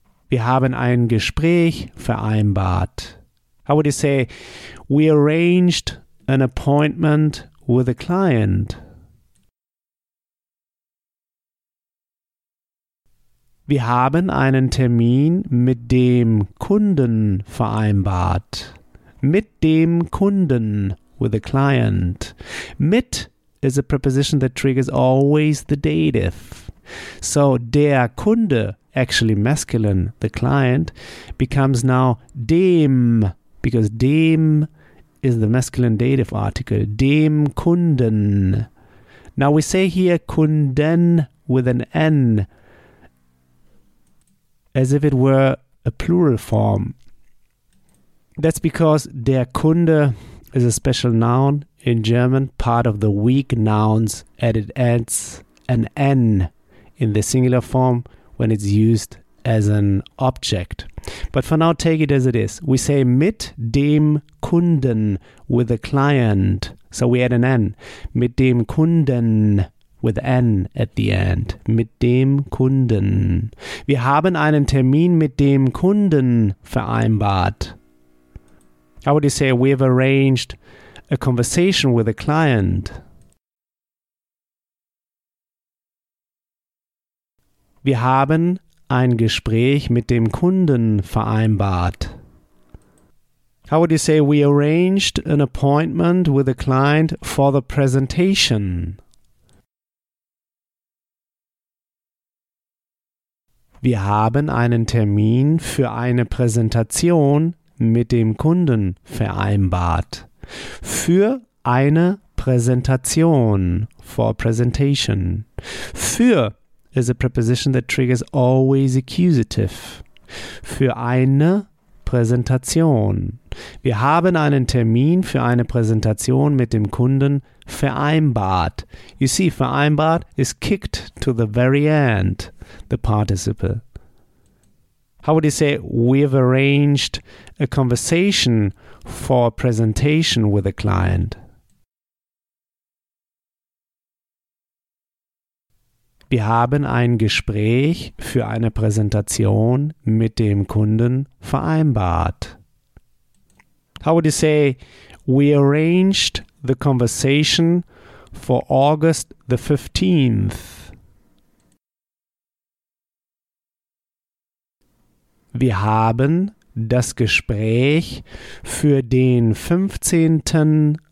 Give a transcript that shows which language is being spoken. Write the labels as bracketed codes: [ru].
[de] Wir haben ein Gespräch vereinbart. [en] How would you say, we arranged an appointment with a client? [de] Wir haben einen Termin mit dem Kunden vereinbart. Mit dem Kunden, [en] with a client. Mit is a preposition that triggers always the dative. So, der Kunde, actually masculine, the client, becomes now dem, because dem is the masculine dative article. Dem Kunden. Now, we say here Kunden with an N, as if it were a plural form. That's because der Kunde is a special noun in German, part of the weak nouns, and it adds an N in the singular form when it's used as an object. But for now, take it as it is. We say mit dem Kunden, with a client. So we add an N. Mit dem Kunden, with N at the end. [de] Mit dem Kunden. Wir haben einen Termin mit dem Kunden vereinbart. [en] How would you say we have arranged a conversation with a client? [de] Wir haben ein Gespräch mit dem Kunden vereinbart. [en] How would you say we arranged an appointment with a client for the presentation? [de] Wir haben einen Termin für eine Präsentation mit dem Kunden vereinbart. Für eine Präsentation, [en] for a presentation. Für is a preposition that triggers always accusative. [de] Für eine Präsentation. Wir haben einen Termin für eine Präsentation mit dem Kunden vereinbart. [en] You see, vereinbart is kicked to the very end, the participle. How would you say, we have arranged a conversation for a presentation with a client? [de] Wir haben ein Gespräch für eine Präsentation mit dem Kunden vereinbart. [en] How would you say, we arranged the conversation for August the 15th? [de] Wir haben das Gespräch für den 15.